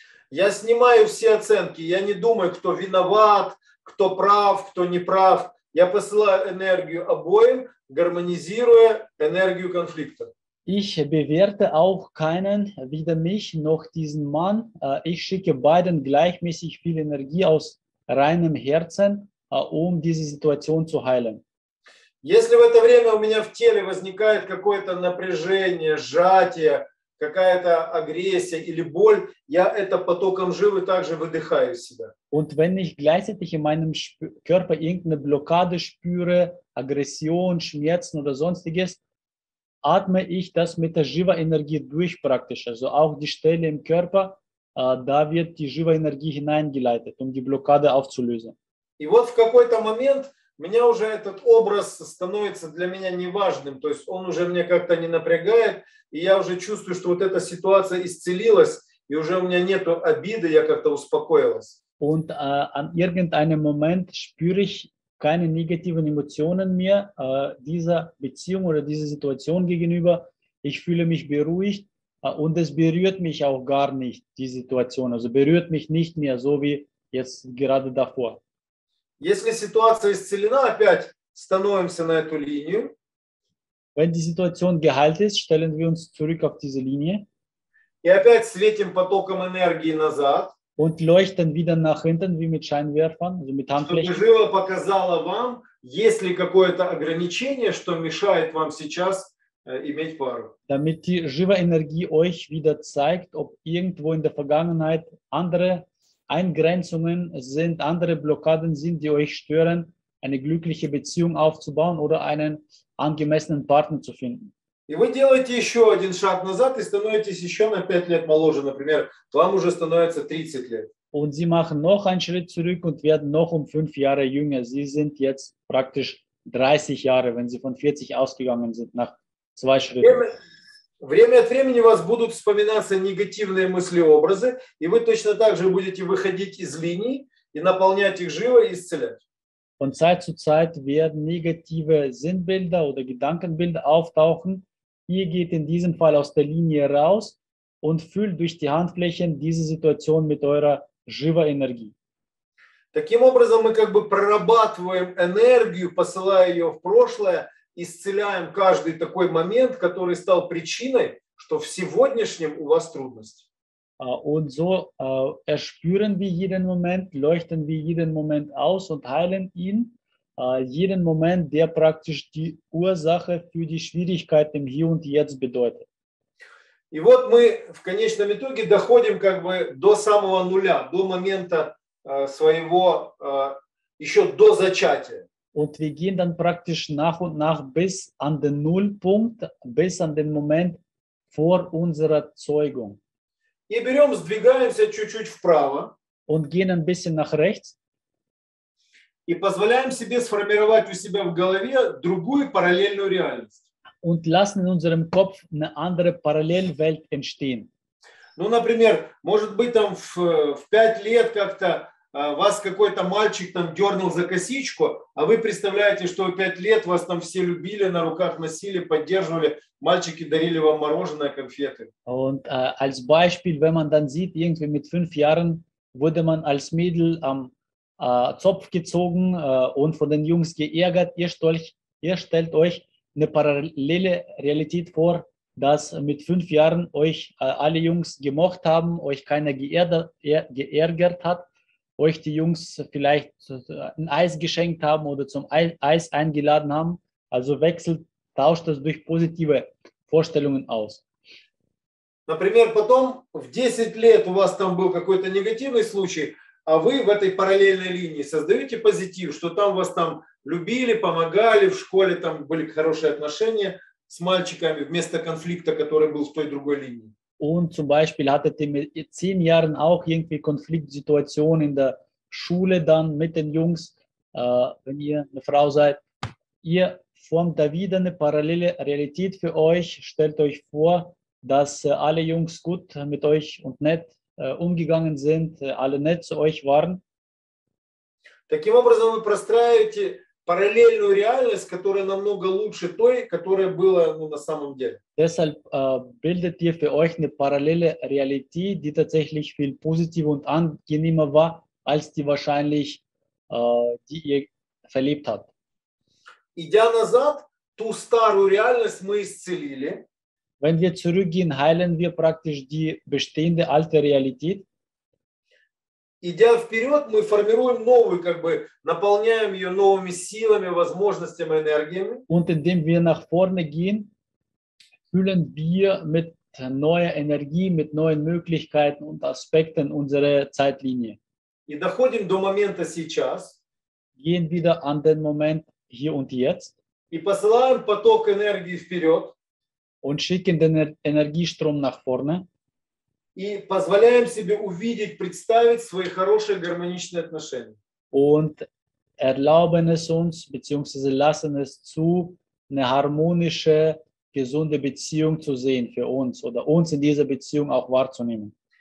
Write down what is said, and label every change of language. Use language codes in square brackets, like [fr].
[ru] Я снимаю все оценки. Я не думаю, кто виноват, кто прав, кто не прав. Я посылаю энергию обоим, гармонизируя энергию конфликта. [de] Ich bewerte auch keinen, weder mich noch diesen Mann. Ich schicke beiden gleichmäßig viel Energie aus reinem Herzen, um diese Situation zu heilen. [ru] Если в это время у меня в теле возникает какое-то напряжение, сжатие, какая-то агрессия или боль, я это потоком живы также выдыхаю из себя. [de] Und wenn ich gleichzeitig in meinem Körper irgendeine Blockade spüre, Aggression, Schmerzen oder sonstiges, atme ich das mit der Jiva-Energie durch praktisch. Also auch die Stelle im Körper, da wird die Jiva-Energie hineingeleitet, um die Blockade aufzulösen. [ru] И вот в какой-то момент мне уже этот образ становится для меня неважным, то есть он уже мне как-то не напрягает, и я уже чувствую, что вот эта ситуация исцелилась, и уже у меня нету обиды, я как-то успокоилась. [de] Und an irgendeinem Moment spüre ich keine negativen Emotionen mehr dieser Beziehung oder dieser Situation gegenüber. Ich fühle mich beruhigt und es berührt mich auch gar nicht, die Situation. Also berührt mich nicht mehr, so wie jetzt gerade davor. [ru] Если ситуация исцелена, опять становимся на эту линию. [de] Wenn die Situation geheilt ist, stellen wir uns zurück auf diese Linie. [ru] И опять светим потоком энергии назад. [de] Und leuchten wieder nach hinten, wie mit Scheinwerfern, also mit Handflächen. [ru] Чтобы живо показало вам, есть ли какое-то ограничение, что мешает вам сейчас иметь пару. [de] Damit die Jiva-Energie euch wieder zeigt, ob irgendwo in der Vergangenheit andere Eingrenzungen sind, andere Blockaden sind, die euch stören, eine glückliche Beziehung aufzubauen oder einen angemessenen Partner zu finden. [ru] И вы делаете еще один шаг назад и становитесь еще на 5 лет моложе, например, вам уже становится 30 лет. [de] Und sie machen noch einen Schritt zurück und werden noch 5 Jahre jünger. Sie sind jetzt praktisch 30 Jahre, wenn sie von 40 ausgegangen sind, nach 2 Schritten. [ru] Время от времени у вас будут вспоминаться негативные мыслеобразы, и вы точно так же будете выходить из линий и наполнять их живо и исцелять. [de] Von Zeit zu Zeit werden negative Sinnbilder oder Gedankenbilder auftauchen. Ihr geht in diesem Fall aus der Linie raus und füllt durch die Handflächen diese Situation mit eurer [ru] живой энергии. Таким образом мы как бы прорабатываем энергию, посылая ее в прошлое, исцеляем каждый такой момент, который стал причиной, что в сегодняшнем у вас трудность. [de] Und so erspüren wir jeden Moment, leuchten wir jeden Moment aus und heilen ihn, jeden Moment, der praktisch die Ursache für die Schwierigkeit im Hier und Jetzt bedeutet. [ru] И вот мы в конечном итоге доходим как бы до самого нуля, до момента своего, еще до зачатия. [de] Und wir gehen dann praktisch nach und nach bis an den Nullpunkt, bis an den Moment vor unserer Zeugung. [ru] И берем, сдвигаемся чуть-чуть вправо. [de] Und gehen ein bisschen nach rechts. [ru] И позволяем себе сформировать у себя в голове другую параллельную реальность. [de] Und lassen in unserem Kopf eine andere Parallelwelt entstehen. [ru] Ну, например, может быть, там в 5 лет как-то вас какой-то мальчик там дернул за косичку, а вы представляете, что в 5 лет вас там все любили, на руках носили, поддерживали, мальчики дарили вам мороженое, конфеты. [de] Und als Beispiel, wenn man dann sieht, irgendwie mit 5 Jahren wurde man als Mädel am Zopf gezogen und von den Jungs geärgert, ihr stellt euch eine parallele Realität vor, dass mit 5 Jahren euch alle Jungs gemocht haben, euch keiner geärgert hat, euch die Jungs vielleicht ein Eis geschenkt haben oder zum Eis eingeladen haben. Also wechselt, tauscht das durch positive Vorstellungen aus. [ru] Например, потом в 10 лет у вас там был какой-то негативный случай, а вы в этой параллельной линии создаете позитив, что там вас там любили, помогали, в школе там были хорошие отношения с мальчиками вместо конфликта, который был в той другой линии. [de] Und zum Beispiel hattet ihr mit 10 Jahren auch irgendwie Konfliktsituation in der Schule dann mit den Jungs, wenn ihr eine Frau seid, ihr formt da wieder eine parallele Realität für euch, stellt euch vor, dass alle Jungs gut mit euch und nett umgegangen sind, alle nett zu euch waren. [ru] Таким образом вы простраиваете параллельную реальность, которая намного лучше той, которая была, ну, на самом деле. [de] Deshalb bildet ihr für euch eine parallele Realität, die tatsächlich viel positiver und angenehmer war, als die wahrscheinlich, die ihr verlebt habt. [ru] Идя назад, ту старую реальность мы исцелили. [de] Wenn wir zurückgehen, heilen wir praktisch die bestehende alte Realität. [ru] Идя вперед, мы формируем новую, как бы наполняем ее новыми силами, возможностями, энергиями. [de] Und indem wir nach vorne gehen, füllen wir mit neuer Energie, mit neuen Möglichkeiten und Aspekten unsere Zeitlinie. [ru] И доходим до момента сейчас. [de] Gehen wieder an den Moment hier und jetzt. [ru] И посылаем поток энергии вперед. [de] Und schicken den Energiestrom nach vorne. [ru] И позволяем себе увидеть, представить свои хорошие гармоничные отношения. [de] Und erlauben es uns, beziehungsweise lassen es zu, eine harmonische, gesunde Beziehung zu sehen für uns oder uns in dieser Beziehung auch wahrzunehmen.